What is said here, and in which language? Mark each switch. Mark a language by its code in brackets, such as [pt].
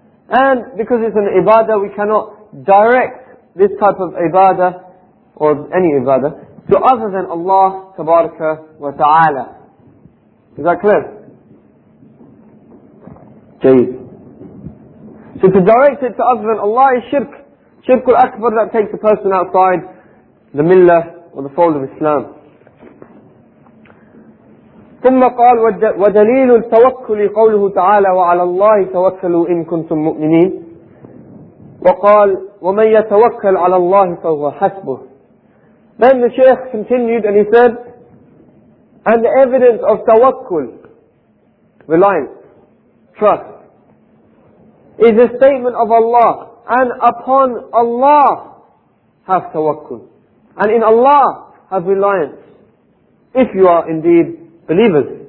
[en] And because it's an ibadah, we cannot direct this type of ibadah, or any ibadah, to other than Allah tabaraka wa ta'ala. Is that clear? [ar] Jayyid. [en] So to direct it to other than Allah is shirk. Shirk al-akbar, that takes a person outside the millah or the fold of Islam. [ar] ثم قال ودليل التوكل قوله تعالى وعلى الله توكلوا إن كنتم مؤمنين وقال ومن يتوكل على الله فهو حسبه. [en] Then the Shaykh continued and he said, and the evidence of tawakkul, reliance, trust, is a statement of Allah, and upon Allah have tawakkul, and in Allah have reliance, if you are indeed believers.